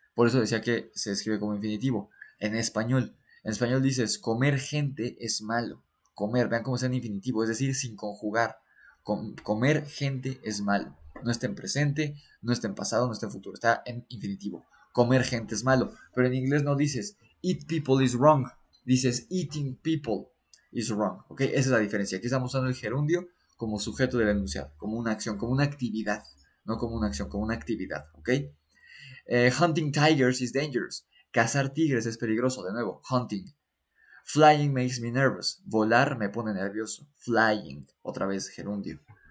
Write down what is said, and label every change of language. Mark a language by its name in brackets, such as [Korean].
[Spanish] Por eso decía que se escribe como infinitivo. En español dices, comer gente es malo. Comer, vean cómo está en infinitivo, es decir, sin conjugar. Comer gente es malo. No está en presente, no está en pasado, no está en futuro, está en infinitivo. Comer gente es malo. Pero en inglés no dices [English] eat people is wrong, [Spanish] dices [English] eating people is wrong. [Spanish] ¿Ok? Esa es la diferencia. Aquí estamos usando el gerundio como sujeto del enunciado, como una acción, como una actividad. No como una acción, como una actividad. ¿Ok? [English] Hunting tigers is dangerous. [Spanish] Cazar tigres es peligroso. De nuevo, hunting. [English] Flying makes me nervous. [Spanish] Volar me pone nervioso. Flying. Otra vez, gerundio.